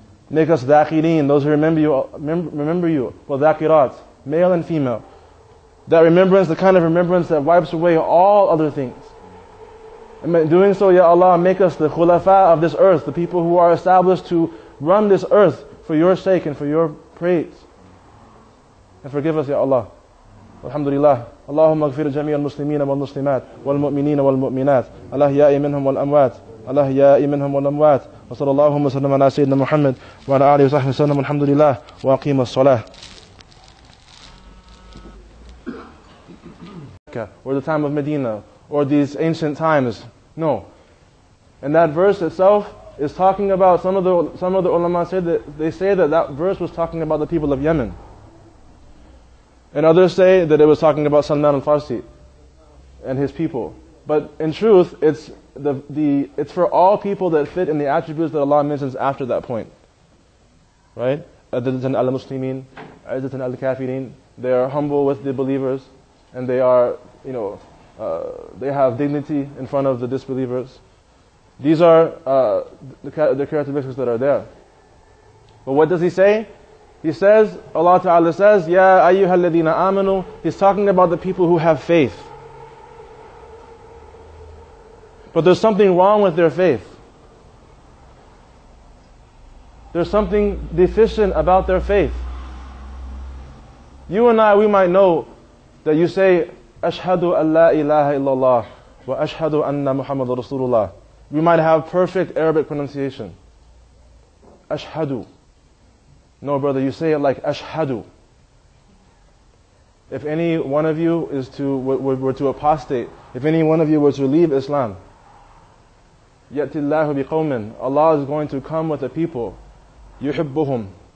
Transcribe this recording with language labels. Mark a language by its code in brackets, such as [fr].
[en] Make us dhakireen, those who remember you, well, dhakirat, male and female. That remembrance, the kind of remembrance that wipes away all other things. And doing so, Ya Allah, make us the khulafa of this earth, the people who are established to run this earth for your sake and for your praise. And forgive us, Ya Allah. Alhamdulillah. [ar] اللهم اغفر جميع المسلمين والمسلمات والمؤمنين والمؤمنات الأحياء منهم والأموات الأحياء منهم والأموات وصلى الله وسلم على سيدنا محمد وعلى آله وصحبه وسلم الحمد لله وأقيم الصلاة. [en] Or the time of Medina, or these ancient times. No. And that verse itself is talking about, some of the ulama say that they say that that verse was talking about the people of Yemen. And others say that it was talking about Salman al-Farsi and his people. But in truth, it's for all people that fit in the attributes that Allah mentions after that point. Right? Adzatan al-Muslimin, Adzatan al-Kafirin. They are humble with the believers, and they are, you know, they have dignity in front of the disbelievers. These are the characteristics that are there. But what does he say? He says, Allah Ta'ala says, Ya [ar] أَيُّهَا الَّذِينَ آمَنُوا. [en] He's talking about the people who have faith. But there's something wrong with their faith. There's something deficient about their faith. You and I, we might know that you say, [ar] أَشْهَدُ أَنْ لَا إِلَهَ إِلَّا اللَّهِ وَأَشْهَدُ أَنَّ مُحَمَّدُ رَسُولُ اللَّهِ. [en] We might have perfect Arabic pronunciation. [ar] أَشْهَدُ. [en] No, brother, you say it like ashhadu. If any one of you were to apostate, if any one of you were to leave Islam, yati Allahu biqawmin, Allah is going to come with a people, yuhibbuhum.